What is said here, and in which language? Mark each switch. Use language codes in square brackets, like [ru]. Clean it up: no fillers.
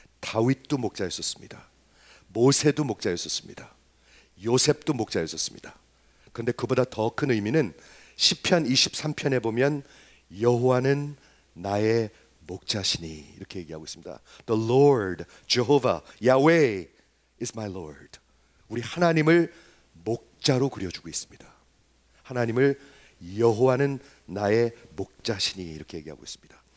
[ko] 다윗도 목자였었습니다. 모세도 목자였었습니다. 요셉도 목자였었습니다. 그런데 그보다 더 큰 의미는 시편 23편에 보면 여호와는 나의 목자시니 이렇게 얘기하고 있습니다. [en] The Lord, Jehovah, Yahweh is my Lord. [ko] 우리 하나님을 목자로 그려주고 있습니다. 하나님을 여호와는 나의 목자시니 이렇게 얘기하고 있습니다.